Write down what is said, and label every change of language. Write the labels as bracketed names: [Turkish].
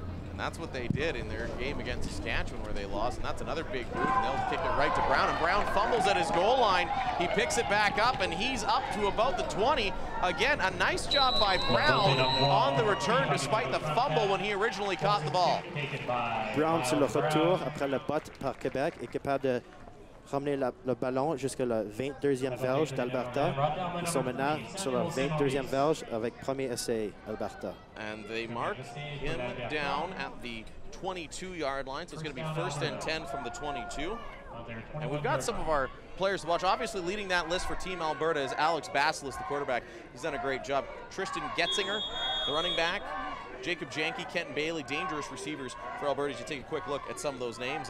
[English] And that's what they did in their game against Saskatchewan where they lost, and that's another big move. And they'll kick it right to Brown, and Brown fumbles at his goal line. He picks it back up, and he's up to about the 20. Again, a nice job by Brown on the return despite the fumble when he originally caught the ball. [French] Brown sur le retour après le pot par Québec est capable de ramener le ballon jusqu'à la 22e verge d'Alberta. Ils sont maintenant sur la 22e verge avec premier essai, Alberta. [English] And they mark him down at the 22-yard line, so it's going to be first and 10 from the 22. And we've got some of our players to watch. Obviously leading that list for Team Alberta is Alex Basilis, the quarterback. He's done a great job. Tristan Getzinger, the running back. Jacob Janke, Kenton Bailey, dangerous receivers for Alberta as you take a quick look at some of those names.